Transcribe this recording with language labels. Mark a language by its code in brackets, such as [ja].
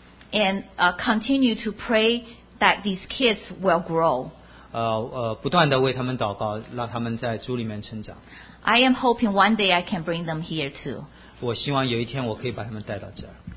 [en] And continue to pray that these kids will grow. [zh] 不断地为他们祷告，让他们在主里面成长。 [en] I am hoping one day I can bring them here too. [zh] 我希望有一天我可以把他们带到这儿。